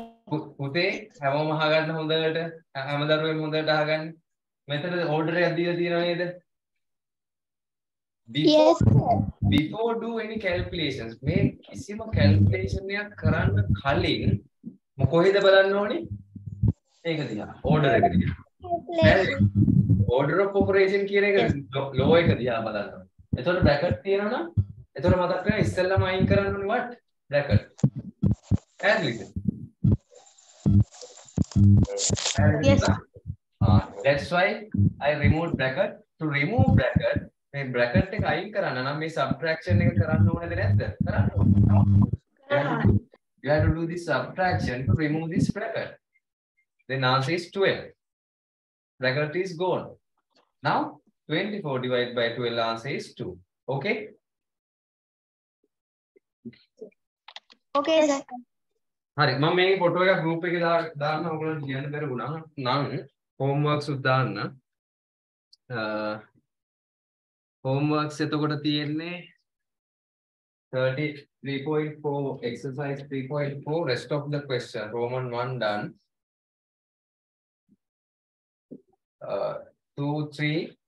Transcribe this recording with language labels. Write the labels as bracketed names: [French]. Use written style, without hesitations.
[Sinhala] පුතේ හැමෝම අහගන්න හොඳට හැමදරුවෙම හොඳට අහගන්න මෙතන ඕඩර් එකක් දීලා තියෙනවා නේද [English] before do any calculations [Sinhala] මේ කිසිම calculation එකක් කරන්න කලින් මොකෙහෙද බලන්න ඕනේ ඒක දිහා ඕඩර් එක දිහා ඕඩර් ඔෆ් ඔපරේෂන් කියන එක ලෝ එක දිහා බලන්න ඕනේ එතකොට බ්‍රැකට් තියෙනවා නම් එතකොට මතක් වෙනවා ඉස්සෙල්ලාම අයින් කරන්න ඕනේ what bracket [English] and listen yes that's why I removed bracket to remove bracket [Sinhala] මේ bracket එක අයින් කරන්න නම් මේ subtraction එක කරන්න ඕනේද නැද්ද කරන්න ඕනේ [English] you have to do this subtraction to remove this bracket then answer is 12 bracket is gone now 24 divided by 12 answer is 2 okay okay sir [Sinhala] හරි මම මේ ෆොටෝ එක group එකේ දාන්න ඕගොල්ලෝ කියන්න බැරි වුණා නම් homeworks උත් දාන්න [English] homeworks [Sinhala] එතකොට තියෙන්නේ [English] 33.4 exercise 3.4 rest of the question roman 1 done 2 3